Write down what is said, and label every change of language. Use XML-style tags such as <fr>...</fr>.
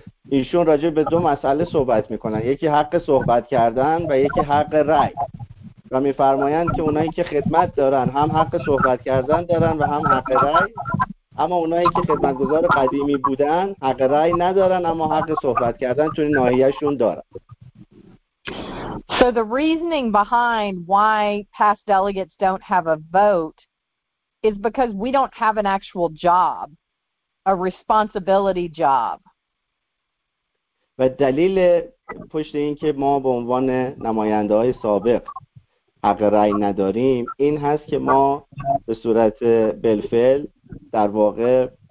<fa>ایشون راجع به دو مسئله صحبت میکنن، یکی حق صحبت کردن و یکی حق رأی، و میفرمایند که اونایی که خدمت دارن هم حق صحبت کردن دارن و هم حق رأی، اما اونایی که خدمتگزار قدیمی بودن حق رأی ندارن اما حق صحبت کردن توی ناحیهشون دارن.</fa> <en>So the reasoning behind why past delegates don't have a vote is because we don't have an actual job, a responsibility job.</en> <fa>و دلیل پشت این که ما به عنوان نماینده های سابق حق رأی نداریم این هست که ما به صورت بالفعل در واقع</fa>